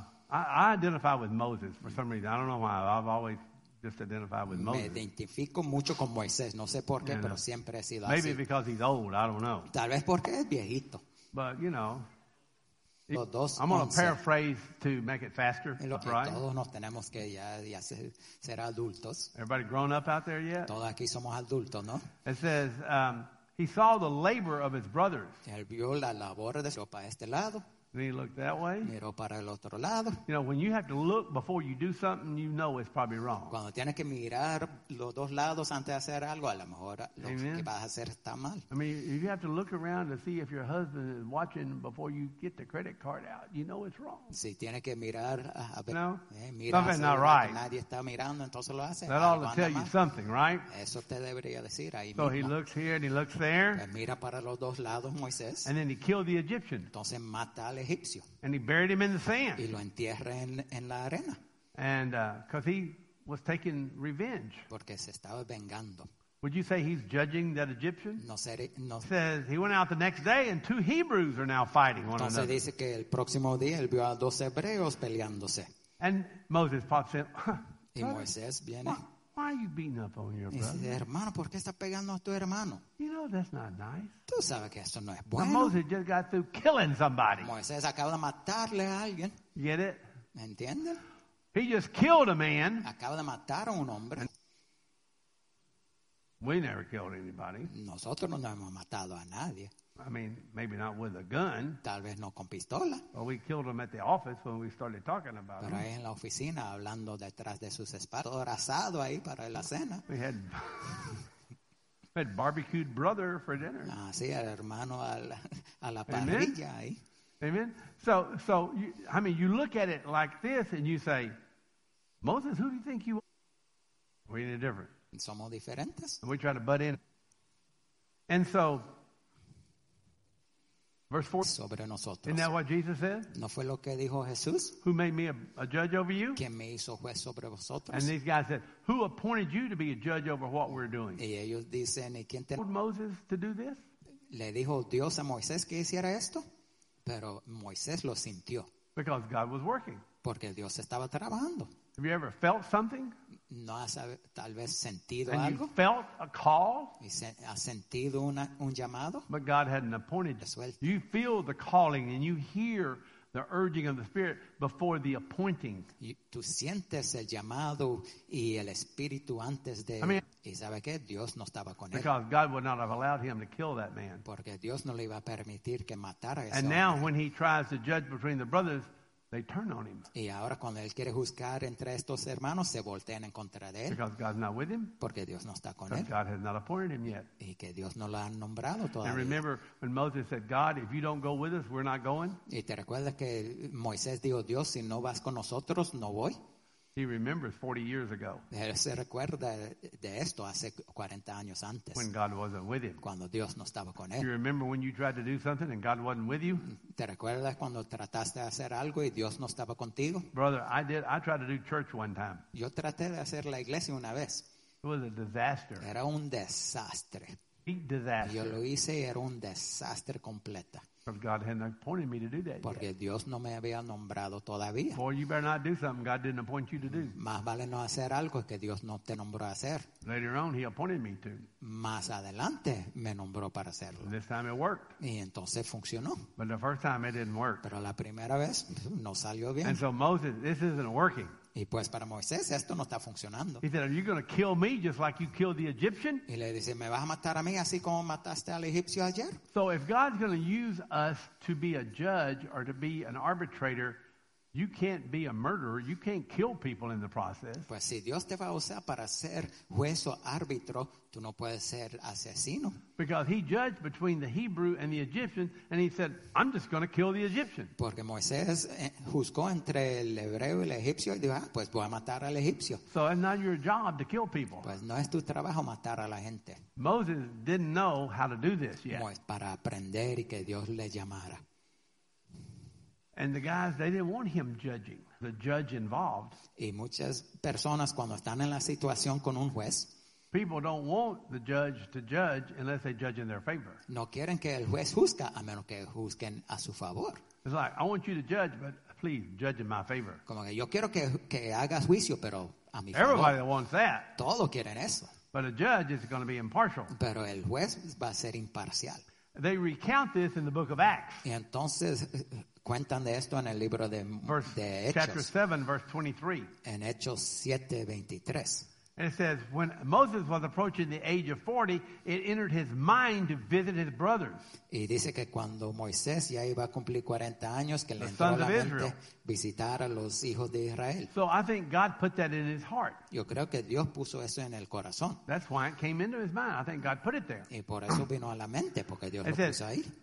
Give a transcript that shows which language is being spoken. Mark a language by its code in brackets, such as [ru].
[en] I identify with Moses for some reason. I don't know why. I've always just identified with Moses. [es] Me identifico mucho con Moisés. No sé por qué, pero siempre he sido [en] maybe [es] así. [en] Maybe because he's old. I don't know. [es] Tal vez porque es viejito. [en] But, you know. [es] Dos, [en] I'm going to paraphrase to make it faster. Right? [es] Todos nos tenemos que ya ser adultos. [en] Everybody grown up out there yet? [es] Todos aquí somos adultos, ¿no? [en] It says, he saw the labor of his brothers. [es] Él vio la labor de su para este lado. [en] Then he looked that way. [es] Miró para el otro lado. [en] You know, when you have to look before you do something, you know it's probably wrong. [es] Cuando tienes que mirar los dos lados antes de hacer algo, a lo mejor lo que vas a hacer está mal. [en] I mean, if you have to look around to see if your husband is watching before you get the credit card out, you know it's wrong. [es] Si tienes que mirar a ver, mira, [en] something's not right. [es] Nadie está mirando, entonces lo hace. [en] That ought to tell you something, right? [es] Eso te debería decir ahí. [en] So he looks here and he looks there. [es] Mira para los dos lados, Moisés. [en] And then he killed the Egyptian. [es] Entonces mata al Egipcio. [en] And he buried him in the sand. [es] Y lo entierra en la arena. [en] And because he was taking revenge. [es] Porque se estaba vengando. [en] Would you say he's judging that Egyptian? [es] No sé. No. [en] He says he went out the next day and two Hebrews are now fighting one [es] entonces [en] another. [es] Dice que el próximo día él vio a dos hebreos peleándose. [en] And Moses pops in. [es] Y Moisés viene. [en] Why are you beating up on your brother? [es] Dice, hermano, ¿por qué estás pegando a tu hermano? [en] You know, that's not nice. [es] Tú sabes que eso no es bueno. [en] Now Moses just got through killing somebody. [es] Moisés acaba de matarle a alguien. [en] Get it? [es] ¿Me entiendes? [en] He just killed a man. [es] Acaba de matar a un hombre. [en] We never killed anybody. [es] Nosotros no hemos matado a nadie. [en] I mean, maybe not with a gun. [es] Tal vez no con pistola. [en] But we killed him at the office when we started talking about [es] pero [en] him. [es] Pero ahí en la oficina, hablando detrás de sus espaldas, todo asado ahí para la cena. [en] We had, had barbecued brother for dinner. [es] Ah, sí, el hermano a la parrilla ahí. [en] Amen. So you, I mean, you look at it like this and you say, Moses, who do you think you are? We're any different. [es] Somos diferentes. [en] And we try to butt in. And so, verse 4. [es] Sobre nosotros. [en] Isn't that what Jesus said? [es] ¿No fue lo que dijo Jesús? [en] Who made me a judge over you? [es] ¿Quién me hizo juez sobre vosotros? [en] And these guys said, who appointed you to be a judge over what we're doing? [es] Y ellos dicen, ¿y quién te [en] told Moses to do this? [es] Le dijo Dios a Moisés que hiciera esto, pero Moisés lo sintió. [en] Because God was working. [es] Porque Dios estaba trabajando. [en] Have you ever felt something? [es] ¿No has tal vez sentido [en] and [es] algo? [en] You felt a call? [es] ¿Has sentido un llamado? [en] But God hadn't appointed you. You feel the calling and you hear the urging of the Spirit before the appointing. [es] Y tú sientes el llamado y el espíritu antes de. [en] I mean, [es] y sabe qué, Dios no estaba con él. [en] Because God would not have allowed him to kill that man. [es] Porque Dios no le iba a permitir que matara a ese hombre. [en] And now, when he tries to judge between the brothers, they turn on him. [es] Y ahora cuando él quiere juzgar entre estos hermanos, se voltean en contra de él. [en] Because God's not with him. [es] Porque Dios no está con él. [en] Because God has not appointed him yet. [es] Y que Dios no lo ha nombrado todavía. [en] And remember when Moses said, God, if you don't go with us, we're not going. [es] Y te recuerdas que Moisés dijo, Dios, si no vas con nosotros, no voy. [en] He remembers 40 years ago. [es] Él se recuerda de esto hace 40 años antes. [en] When God wasn't with him. [es] Cuando Dios no estaba con él. [en] Do you remember when you tried to do something and God wasn't with you? [es] ¿Te recuerdas cuando trataste de hacer algo y Dios no estaba contigo? [en] Brother, I tried to do church one time. [es] Yo traté de hacer la iglesia una vez. [en] It was a disaster. [es] Era un desastre. [en] Big disaster. [es] Yo lo hice y era un desastre completo. [en] Because God hadn't appointed me to do that. [es] Porque [en] yet. [es] Dios no me había nombrado todavía. [en] Boy, you better not do something God didn't appoint you to do. [es] Más vale no hacer algo que Dios no te nombró a hacer. [en] Later on, He appointed me to. [es] Más adelante me nombró para hacerlo. [en] And this time it worked. [es] Y entonces funcionó. [en] But the first time it didn't work. [es] Pero la primera vez no salió bien. [en] And so Moses, this isn't working. [es] Y pues para Moisés esto no está funcionando. [en] He said, "Are you going to kill me just like you killed the Egyptian?" [es] Y le dice, "¿Me vas a matar a mí así como mataste al egipcio ayer?" [en] So if God's going to use us to be a judge or to be an arbitrator, you can't be a murderer. You can't kill people in the process. [es] Pues si Dios te va a usar para ser juez o árbitro, tú no puedes ser asesino. [en] Because He judged between the Hebrew and the Egyptian, and He said, "I'm just going to kill the Egyptian." [es] Porque Moisés juzgó entre el hebreo y el egipcio y dijo, ah, pues voy a matar al egipcio. [en] So it's not your job to kill people. [es] Pues no es tu trabajo matar a la gente. [en] Moses didn't know how to do this yet. [es] Pues para aprender y que Dios le llamara. [en] And the guys, they didn't want him judging. The judge involved. [es] Y muchas personas cuando están en la situación con un juez. [en] People don't want the judge to judge unless they judge in their favor. [es] No quieren que el juez juzga a menos que juzguen a su favor. [en] It's like, I want you to judge, but please judge in my favor. [es] Como que yo quiero que hagas juicio, pero a mi favor. [en] Everybody wants that. [es] Todos quieren eso. [en] But a judge is going to be impartial. [es] Pero el juez va a ser imparcial. [en] They recount this in the book of Acts. [es] Y entonces cuentan de esto en el libro de Hechos. [en] Chapter 7, verse 23. [es] En Hechos 7, 23. [en] And it says, when Moses was approaching the age of 40, it entered his mind to visit his brothers. [es] Y dice que cuando Moisés ya iba a cumplir 40 años, que le entró a la mente visitar a los hijos de Israel. [en] So I think God put that in his heart. [es] Yo creo que Dios puso eso en el corazón. [en] That's why it came into his mind. I think God put it there. [es] Y por eso vino a la mente, porque Dios lo puso ahí.